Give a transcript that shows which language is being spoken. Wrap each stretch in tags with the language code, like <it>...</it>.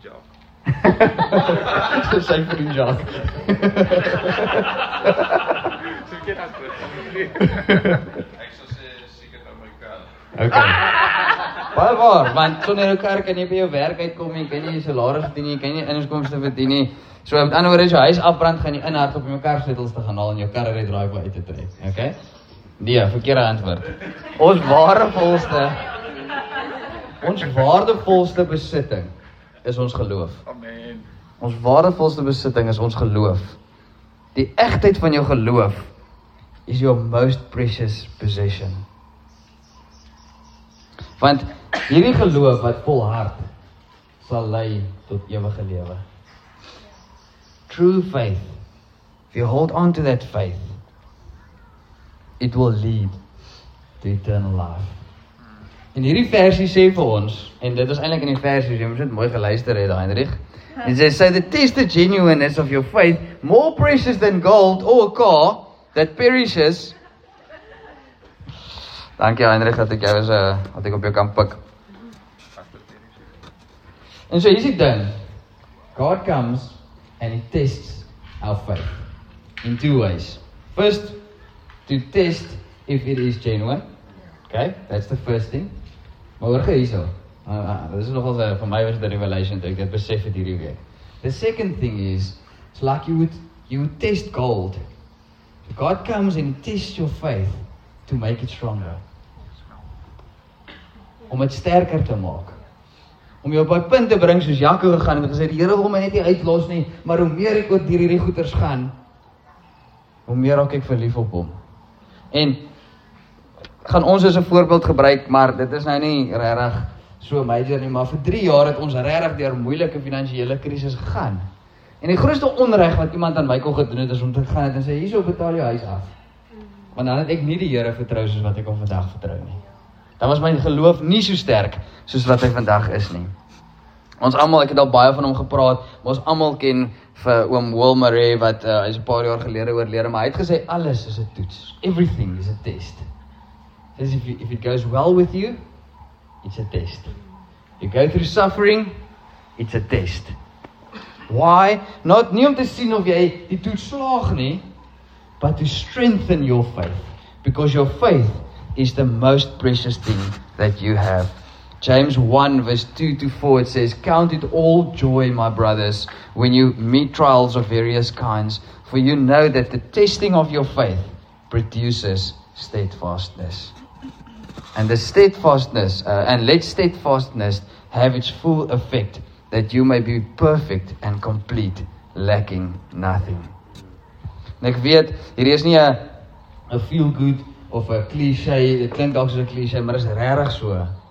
<af>vriend Jacques. Sy vriend Jacques. Sy verkeerde antwoord. Ek sou sê seker nou my kar. Okay. Baie waar, want sonder jou kar kan jy by jou werk uitkom, jy kan nie jou salaris verdien nie, jy kan nie inkomste verdien nie. So met ander woorde, as jou huis afbrand, gaan jy inhard op jou karsleutels te gaan haal en jou kar uit drive uit te trek. Okay? Nee, verkeerde antwoord. Ons waardevolste besitting is ons geloof. Amen. Ons waardevolste besitting is ons geloof. Die egtheid van jou geloof is</af> <en>your most precious possession.</en> <af>Want hierdie geloof wat volhard sal lei tot ewige lewe.</af> <en>True faith. If you hold on to that faith, it will lead to eternal life.</en> <af>En hierdie versie sê vir ons, en dit is eintlik in die versie, jy moet dit mooi geluister het, Heinrich.</af> <en>It says, so the tested genuineness of your faith, more precious than gold or a car that perishes.</en> <af>Dankie Heinrich, dat ek jou is, wat ek op jou kan pik. En so hier is die ding.</af> <en>God comes and he tests our faith in two ways. First, to test if it is genuine. Okay, that's the first thing.</en> <af>Maar hoor gee hierso. Dit is nogal vir my was dit 'n revelation toe ek dit besef het hierdie week.</af> <en>The second thing is, it's like you would test gold. God comes and tests your faith to make it stronger.</en> <af>Om dit sterker te maak. Om jou op daai punt te bring soos Jakob gegaan het en gesê die Here wil my net nie uitlos nie, maar hoe meer ek oor hierdie goeters gaan, hoe meer raak ek verlief op hom. En gaan ons as 'n voorbeeld gebruik, maar dit is nou nie regtig so major nie, maar vir 3 jaar het ons regtig deur moeilike finansiële krisis gegaan. En die grootste onreg wat iemand aan my kon gedoen het is om te gaan en sê hierso betaal jou huis af. Want dan het ek nie die Here vertrou soos wat ek hom vandag vertrou nie. Dan was my geloof nie so sterk soos wat hy vandag is nie. Ons almal, ek het al baie van hom gepraat, maar ons almal ken vir oom Wilmarie wat hy's 'n paar jaar gelede oorlede, maar hy het gesê alles is 'n toets.</af> <en>Everything is a test. As if it goes well with you, it's a test. You go through suffering, it's a test. Why?</en> <af>Not nie om te sien of jy die toets slaag nie,</af> <en>but to strengthen your faith, because your faith is the most precious thing that you have. James 1 verse 2 to 4, it says, count it all joy, my brothers, when you meet trials of various kinds, for you know that the testing of your faith produces steadfastness. And the steadfastness, and let steadfastness have its full effect, that you may be perfect and complete, lacking nothing.</en> <af>En ek weet, hier is nie 'n feel good of 'n cliché, dit klink dalk soos 'n cliché, maar is regtig so.</af>